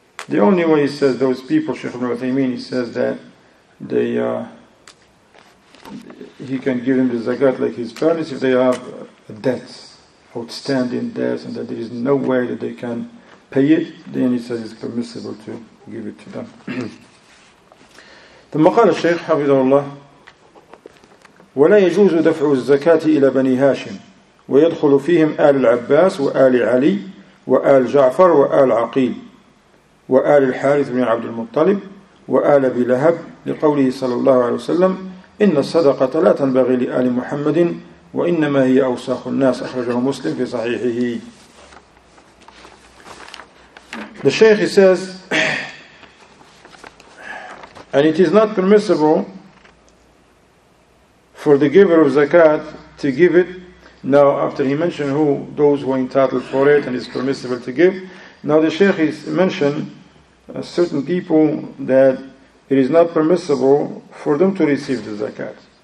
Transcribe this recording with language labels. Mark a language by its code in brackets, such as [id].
[en] The only way, he says, those people, Sheikh Ibn Uthaymeen, he says that they he can give them the zakat like his parents if they have debts, outstanding debts, and that there is no way that they can pay it, then he says it's permissible to give it to them. [ar] The maqal al-shaykh, hafidhahullah, وَلَا يَجُوزُ دَفْعُ الزَّكَاةِ إِلَى بَنِي هَاشِمْ وَيَدْخُلُ فِيهِمْ آلِ الْعَبَّاسِ وَآلِ عَلِي وَآلِ جَعْفَرِ وَآلِ عَقِيلِ وآل الحارث بن عبد المطلب وآل أبي لهب لقوله صلى الله عليه وسلم إن الصدقة لا تنبغي لآل محمد وإنما هي أوساخ الناس أخرجه مسلم في صحيحه. [en] The Shaykh says, and it is not permissible for the giver of zakat to give it. Now, after he mentioned who those who are entitled for it and it's permissible to give, now the Shaykh is mentioned certain people that it is not permissible for them to receive the zakat.